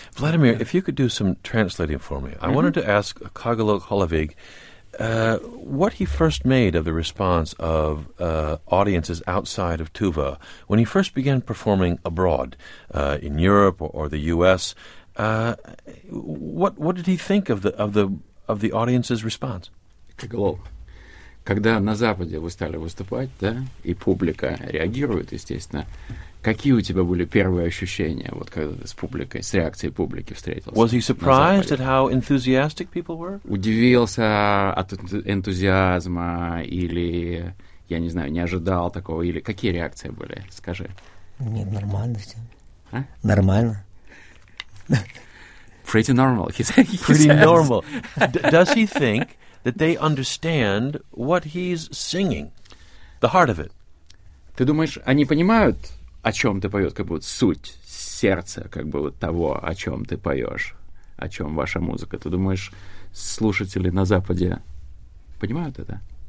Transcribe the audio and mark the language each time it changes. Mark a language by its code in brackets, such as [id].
[en] Vladimir, if you could do some translating for me. Mm-hmm. I wanted to ask Kagalo Holovig what he first made of the response of audiences outside of Tuva when he first began performing abroad in Europe or the U.S. What did he think of the audience's response? Kagalo. [ru] Когда на Западе вы стали выступать, да, и публика реагирует, естественно, какие у тебя были первые ощущения, вот когда ты с публикой, с реакцией публики встретился? [en] Was he surprised at how enthusiastic people were? [ru] Удивился от энтузиазма или, я не знаю, не ожидал такого, или какие реакции были, скажи? Нет, нормально все. А? Нормально. [en] Pretty normal, he said. Normal. Does he think that they understand what he's singing, the heart of it. [ru] Ты думаешь, они понимают, о чем ты поешь, как бы вот суть, сердце, как бы вот того, о чем ты поешь, о чем ваша музыка? Ты думаешь, слушатели на Западе понимают это?